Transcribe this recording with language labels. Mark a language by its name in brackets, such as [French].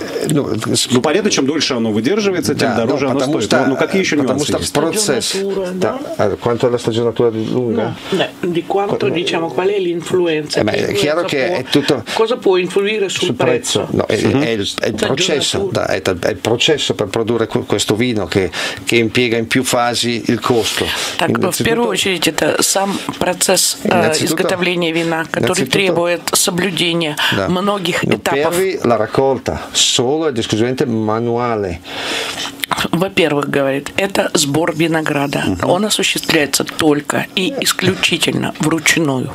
[Russian] Ну, понятно, чем дольше оно выдерживается, тем дороже оно стоит. Что, ну, какие еще нюансы есть? Процесс. [Italian] Quanto la stagionatura lunga? Di quanto, diciamo, qual è l'influenza? Ma è chiaro che è tutto... Cosa può influire sul prezzo? No, è il processo. È il processo per produrre questo vino che impiega in più fasi il costo. [Russian] Так, в первую очередь, это сам процесс изготовления вина, который требует соблюдения многих этапов. [Italian] Solo ed esclusivamente manuale. [Russian] Во-первых, говорит, это сбор винограда. Uh-huh. Он осуществляется только и исключительно вручную.